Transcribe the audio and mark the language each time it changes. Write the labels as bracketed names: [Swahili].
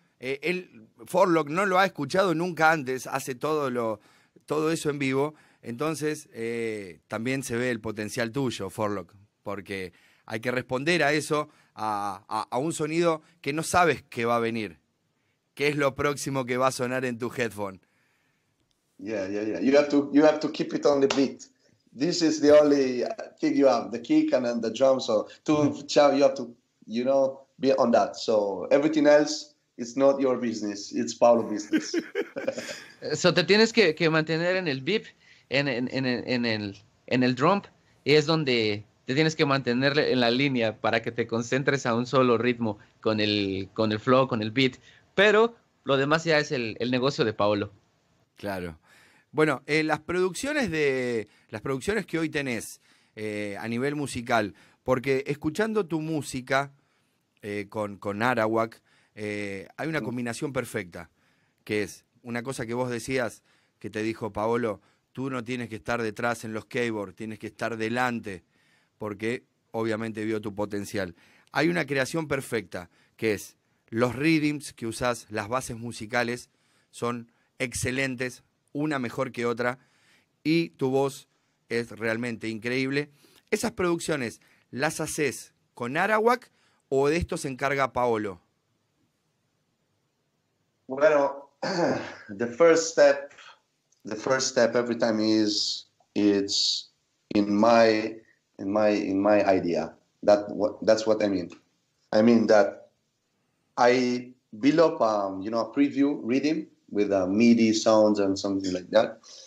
[Spanish] Él, Forlock, no lo ha escuchado nunca antes, hace todo eso en vivo. Entonces, también se ve el potencial tuyo, Forlock, porque hay que responder a eso. A un sonido que no sabes que va a venir. ¿Qué es lo próximo que va a sonar en tu headphone? [English] Yeah. You have to keep it on the beat. This is the only thing you have, the kick and the drum. So to chow, you have to, you know, be on that. So everything else, it's not your business. It's Paolo's business. [Spanish] So te tienes que mantener en el beep, en el drum, y es donde te tienes que mantener en la línea para que te concentres a un solo ritmo con el flow, con el beat. Pero lo demás ya es el negocio de Paolo. Claro. Bueno, las producciones que hoy tenés a nivel musical, porque escuchando tu música con Arawak, hay una combinación perfecta, que es una cosa que vos decías, que te dijo Paolo, tú no tienes que estar detrás en los keyboards, tienes que estar delante, porque obviamente vio tu potencial. Hay una creación perfecta, que es los rhythms que usás, las bases musicales, son excelentes, una mejor que otra, y tu voz es realmente increíble. ¿Esas producciones las haces con Arawak o de esto se encarga Paolo? [English] Bueno, the first step every time is it's in my idea. That's what I mean. I mean that I build up, you know, a preview rhythm with MIDI sounds and something like that.